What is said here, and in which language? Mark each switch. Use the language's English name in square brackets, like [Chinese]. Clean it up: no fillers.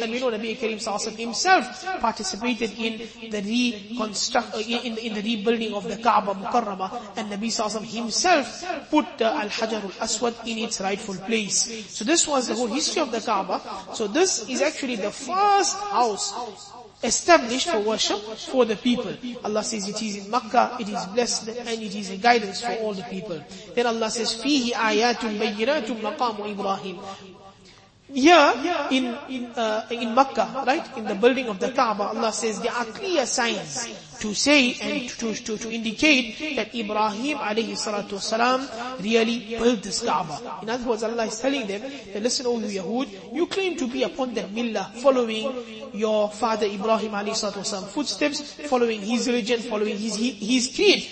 [English] And we know Nabi Kareem Sallallahu Alaihi himself participated in the reconstruction, in the rebuilding of the Kaaba Mukarrama, and Nabi Sallallahu Alaihi himself put the Al-Hajar Al-Aswad in its rightful place. So this was the whole history of the Kaaba. So this is actually the first house established for worship for the people. Allah says it is in Makkah, it is blessed and it is a guidance for all the people. [Arabic] Then Allah says, فِيهِ آيَاتٌ بَيِّنَاتٌ مَقَامُ إِبْرَاهِيمُ. [English] Here in Makkah, right, in the building of the Kaaba, Allah says there are clear signs to say and to indicate that Ibrahim alayhi salatu wasalam really built this Kaaba. In other words, Allah is telling them that, listen, O you Yahud, you claim to be upon the Millah, following your father Ibrahim alayhi salatu wasalam footsteps, following his religion, following his creed.